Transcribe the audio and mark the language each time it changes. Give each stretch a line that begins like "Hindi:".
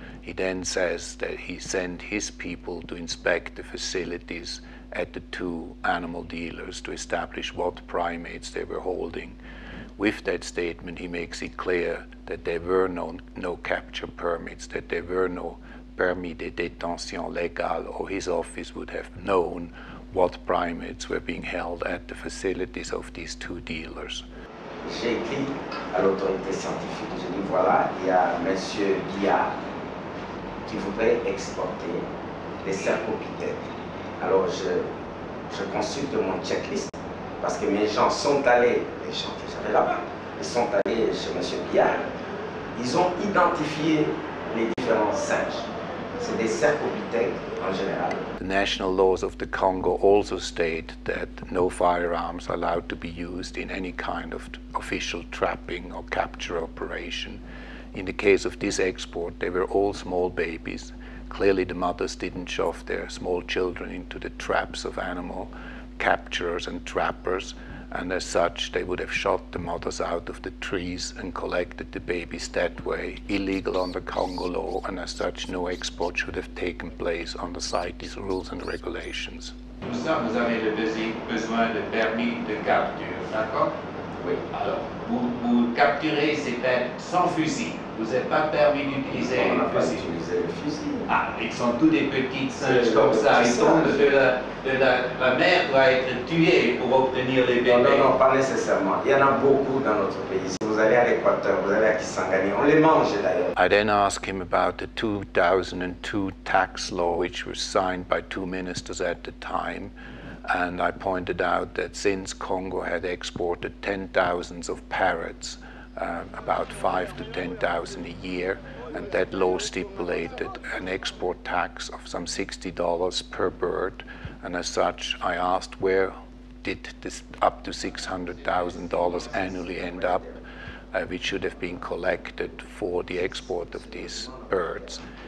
English: He then says that he sent his people to inspect the facilities at the two animal dealers to establish what primates they were holding. With that statement, he makes it clear that there were no capture permits, that there were no
French: permis de détention légal,
English: or his office would have known what primates were being held at the facilities of these two dealers.
French: J'ai écrit à l'autorité scientifique, je dis voilà, il y a Monsieur Guillard qui voudrait exporter des cercopithèques. Alors je consulte mon checklist parce que mes gens sont allés, les gens que j'avais. rentrés là-bas. Ils sont allés chez M. Pierre. Ils ont identifié les différents singes. C'est des cercopithèques en général.
English: The national laws of the Congo also state that no firearms are allowed to be used in any kind of official trapping or capture operation. In the case of this export, they were all small babies. Clearly the mothers didn't shove their small children into the traps of animal capturers and trappers, and as such they would have shot the mothers out of the trees and collected the babies that way. Illegal under Congo law, and as such no export should have taken place on the site these rules and regulations.
French: Nous sommes avec le besoin de permis de capture, d'accord? Oui. Alors, vous capturez ces bêtes sans fusil. Vous n'êtes pas permis d'utiliser le fusil. On n'a pas utilisé le fusil. Ah, ils sont tous des petites singes comme ça. Ils tombent de la mère doit être tuée pour obtenir les bébés. Non, pas nécessairement. Il y en a beaucoup dans notre pays. Si vous allez à l'Équateur, vous allez à Kisangani. On les mange d'ailleurs.
English: I then asked him about the 2002 tax law, which was signed by two ministers at the time. And I pointed out that since Congo had exported 10,000 of parrots, about 5,000 to 10,000 a year, and that law stipulated an export tax of some $60 per bird, and as such, I asked where did this up to $600,000 annually end up, which should have been collected for the export of these birds.